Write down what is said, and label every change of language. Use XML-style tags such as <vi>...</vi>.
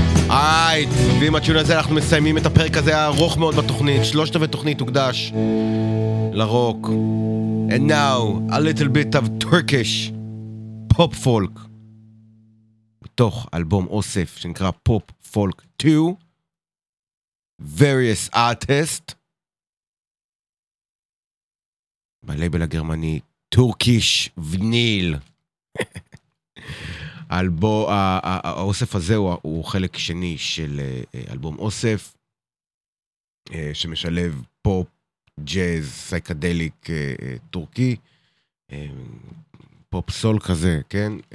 <he>הייט, ועם הטיון הזה אנחנו מסיימים את הפרק הזה הארוך מאוד בתוכנית, שלושת רבעי תוכנית הוקדש לרוק.</he> <en>And now, a little bit of Turkish pop folk</en> <he>בתוך אלבום אוסף שנקרא</he> <en>Pop Folk 2 Various Artists</en> <he>בלייבל הגרמני</he> <en>Turkish Vinyl.</en> <he>האוסף הזה הוא חלק שני של אלבום אוסף שמשלב פופ, ג'אז, סייקדליק טורקי, פופ סול כזה, כן?</he>